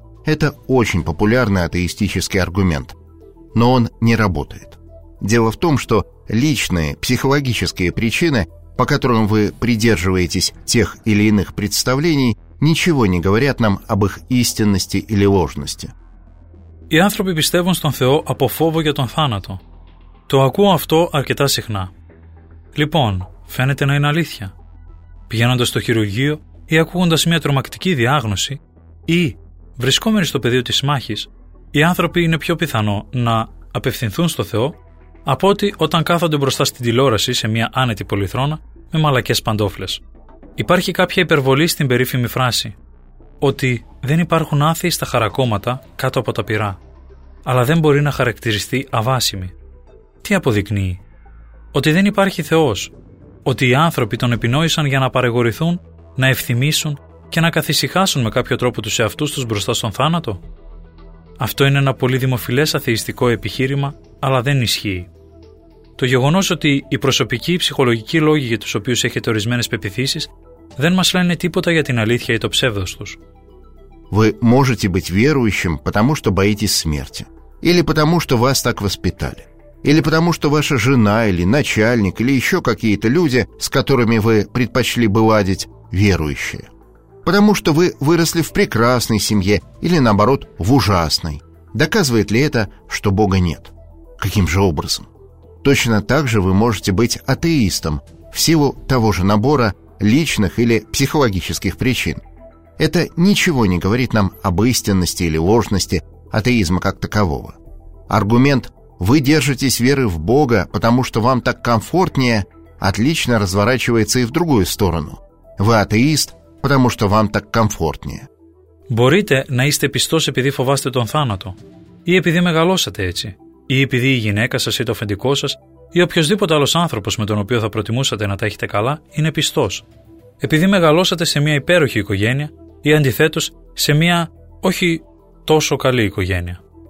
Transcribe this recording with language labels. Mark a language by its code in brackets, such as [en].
[ru] Это очень популярный атеистический аргумент. Но он не работает. Дело в том, что личные психологические причины, по которым вы придерживаетесь тех или иных представлений, ничего не говорят нам об их истинности или ложности. [el] Οι άνθρωποι πιστεύουν στον Θεό από φόβο για τον θάνατο. Το ακούω αυτό αρκετά συχνά. Λοιπόν, φαίνεται να είναι αλήθεια. Πηγαίνοντας στο χειρουργείο ή ακούγοντας μια τρομακτική διάγνωση ή βρισκόμενοι στο πεδίο της μάχης, οι άνθρωποι είναι πιο πιθανό να απευθυνθούν στο Θεό από ότι όταν κάθονται μπροστά στην τηλεόραση σε μια άνετη πολυθρόνα με μαλακές παντόφλες. Υπάρχει κάποια υπερβολή στην περίφημη φράση ότι δεν υπάρχουν άθεοι στα χαρακώματα κάτω από τα πυρά, αλλά δεν μπορεί να χαρακτηριστεί αβάσιμη. Τι αποδεικνύει? Ότι δεν υπάρχει Θεός, ότι οι άνθρωποι τον επινόησαν για να παρηγορηθούν, να ευθυμίσουν και να καθησυχάσουν με κάποιο τρόπο τους εαυτούς τους μπροστά στον θάνατο. Αυτό είναι ένα πολύ δημοφιλές αθειστικό επιχείρημα, αλλά δεν ισχύει. Το γεγονός ότι οι προσωπικοί ψυχολογικοί λόγοι για τους οποίους έχετε ορισμένες πεπιθήσεις δεν μας λένε τίποτα για την αλήθεια ή το ψεύδος τους. [ru] Вы можете быть верующим, потому что боитесь смерти. Или потому что вас так воспитали. Или потому что ваша жена или начальник, или еще какие-то люди, с которыми вы предпочли бы ладить, верующие. Потому что вы выросли в прекрасной семье или, наоборот, в ужасной. Доказывает ли это, что Бога нет? Каким же образом? Точно так же вы можете быть атеистом в силу того же набора личных или психологических причин. Это ничего не говорит нам об истинности или ложности атеизма как такового. Аргумент «вы держитесь веры в Бога, потому что вам так комфортнее» отлично разворачивается и в другую сторону. Вы атеист, потому что вам так комфортнее. Борите на есть пистос, [el] επειδή φοβάστε τον θάνατο, и επειδή μεγαλώσατε έτσι, и επειδή η γυναίκα σας ή το αφεντικό σας, ή οποιοςδήποτε άλλος άνθρωπος με τον οποίο θα προτιμούσατε να τα έχετε καλά, είναι πιστός. Επειδή μεγαλώσατε σε μια υπέροχη οικογένεια ή αντιθέτως σε μια όχι τόσο καλή οικογένεια.